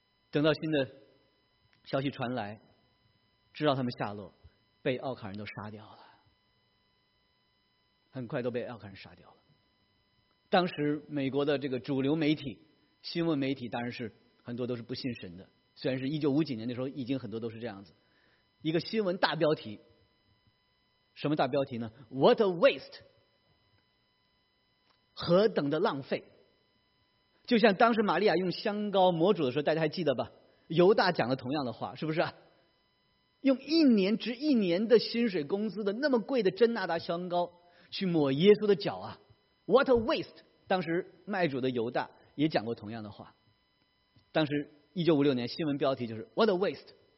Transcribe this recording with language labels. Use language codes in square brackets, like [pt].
[zh] 等到新的消息传来，知道他们下落，被奥卡人都杀掉了，很快都被奥卡人杀掉了。当时美国的这个主流媒体新闻媒体当然是很多都是不信神的，虽然是1950年的时候已经很多都是这样子，一个新闻大标题，什么大标题呢？ [en] What a waste， [zh] 何等的浪费。就像当时玛利亚用香膏抹主的时候，大家还记得吧，犹大讲了同样的话，是不是、啊、用一年值一年的薪水工资的那么贵的真纳达香膏去抹耶稣的脚啊， [en] What a waste。 [zh] 当时卖主的犹大也讲过同样的话，当时1956年新闻标题就是 [en] What a waste。